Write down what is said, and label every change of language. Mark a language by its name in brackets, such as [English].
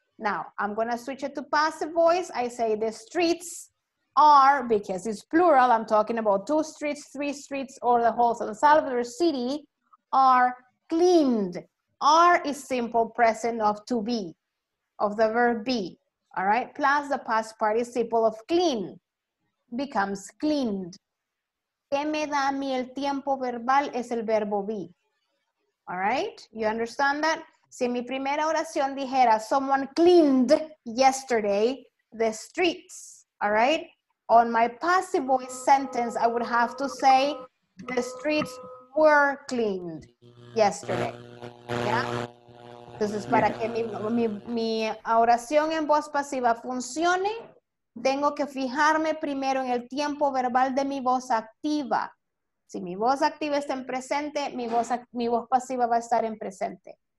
[English] Now, I'm going to switch it to passive voice. I say the streets are, because it's plural, I'm talking about two streets, three streets, or the whole San Salvador city, are cleaned. Are is simple present of to be, of the verb be, all right? Plus the past participle of clean becomes cleaned. [Spanish] ¿Qué me da a mí el tiempo verbal? Es el verbo be, [English] all right? You understand that? [Spanish] Si mi primera oración dijera, [English] someone cleaned yesterday the streets, all right? On my passive voice sentence, I would have to say, the streets were cleaned yesterday. Yeah? [Spanish] Entonces, para que mi oración en voz pasiva funcione, tengo que fijarme primero en el tiempo verbal de mi voz activa. Si mi voz activa está en presente, mi voz pasiva va a estar en presente.